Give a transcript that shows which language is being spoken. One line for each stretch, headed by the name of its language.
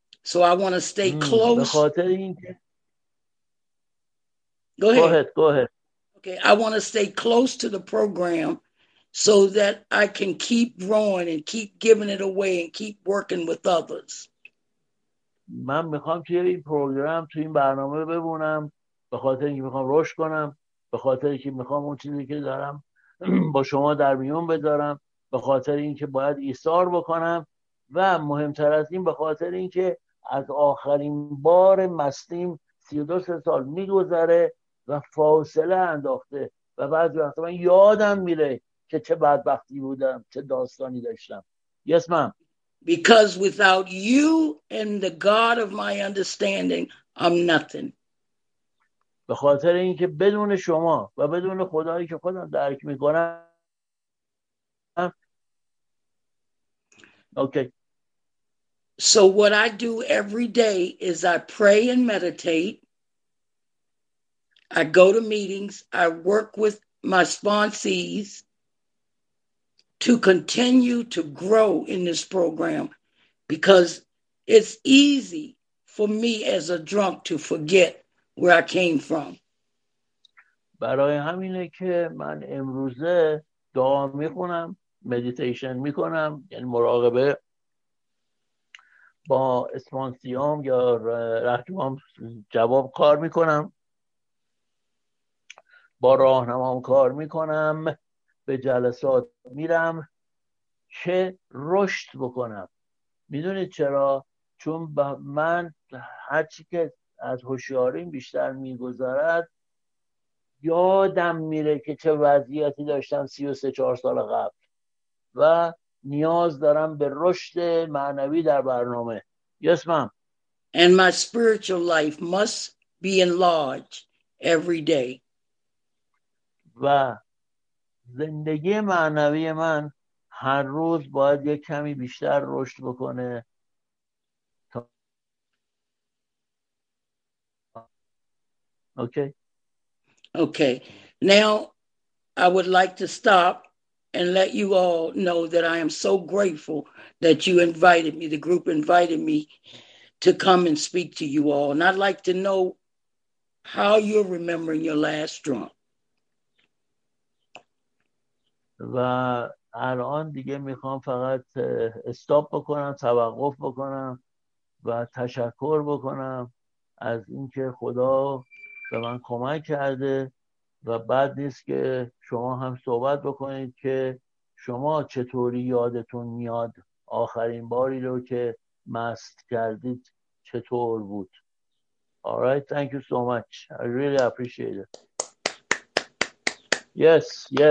English: So I want to stay close.
Persian: به خاطر اینکه
English: Go ahead. Okay, I want to stay close to the program so that I can keep growing and keep giving it away and keep working with others.
Persian: من میخوام توی این پروگرام، توی این برنامه ببونم به خاطر اینکه میخوام رشد کنم، به خاطر اینکه میخوام اون چیزی که دارم با شما در میون بذارم، به خاطر اینکه باید ایثار بکنم و مهمتر از این به خاطر اینکه از آخرین بار مستیم 32 سال میگذره و فاصله انداخته و بعد وقتا من یادم میره که چه بدبختی بودم، چه داستانی داشتم.
English: Yes, ma'am. Because without you and the God of my understanding, I'm nothing.
Persian: به خاطر اینکه بدون شما و بدون خدایی که خودم درک میکنم.
English: Okay. So what I do every day is I pray and meditate. I go to meetings. I work with my sponsees to continue to grow in this program because it's easy for me as a drunk to forget where I came from.
Persian: برای همینه که من امروزه دعا میکنم، مدیتیشن میکنم، یعنی مراقبه با اسپانسیام یا رهنمام جواب کار میکنم، با راهنمام کار میکنم، به جلسات میرم که رشد بکنم. میدونید چرا؟ چون من هرچی که از هوشیاریم بیشتر میگذرد یادم میره که چه وضعیتی داشتم 33-34 سال قبل و نیاز دارم به رشد معنوی در برنامه.
English: Yes, ma'am. And my spiritual life must be enlarged every day.
Persian: و زندگی معنوی من هر روز باید یک کمی بیشتر رشد بکنه.
English: Okay. Okay. Now I would like to stop and let you all know that I am so grateful that you invited me, the group invited me to come and speak to you all. And I'd like to know how you're remembering your last drunk.
Persian: و الان دیگه میخوام فقط استاپ بکنم، توقف بکنم و تشکر بکنم از اینکه خدا به من کمک کرده و بعد نیست که شما هم صحبت بکنید که شما چطوری یادتون میاد آخرین باری رو که مست کردید چطور بود.
English: Alright, thank you so much. I really appreciate it. Yes.